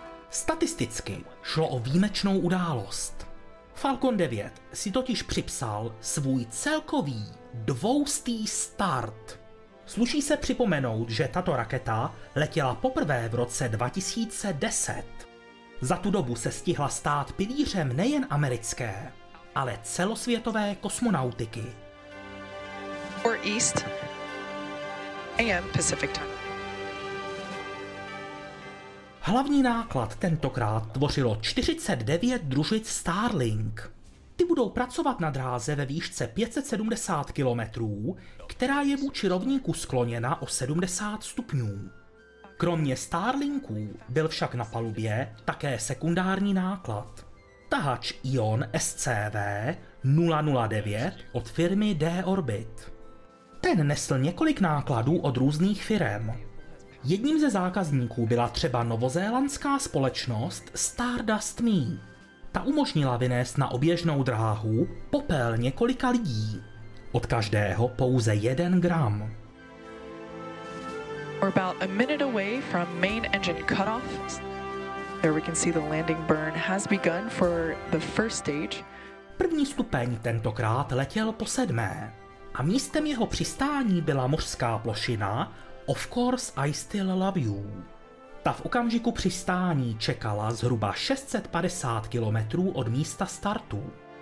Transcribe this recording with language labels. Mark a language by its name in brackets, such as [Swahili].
[Czech] Statisticky šlo o výjimečnou událost. Falcon 9 si totiž připsal svůj celkový 200. start. Sluší se připomenout, že tato raketa letěla poprvé v roce 2010. Za tu dobu se stihla stát pilířem nejen americké, ale celosvětové kosmonautiky. [English] For East and Pacific Time. [Czech] Hlavní náklad tentokrát tvořilo 49 družic Starlink. Ty budou pracovat na dráze ve výšce 570 km, která je vůči rovníku skloněna o 70 stupňů. Kromě Starlinků byl však na palubě také sekundární náklad. Tahač Ion SCV 009 od firmy D-Orbit. Ten nesl několik nákladů od různých firem. Jedním ze zákazníků byla třeba novozélandská společnost Stardust Me. Ta umožnila vynést na oběžnou dráhu popel několika lidí. Od každého pouze 1 gram. [English] We're about a minute away from main engine cutoff. There we can see the landing burn has begun for the first stage. [Czech] První stupeň tentokrát letěl po 7. A místem jeho přistání byla mořská plošina Of course I still love you. Ta v okamžiku přistání čekala zhruba 650 km od místa startu.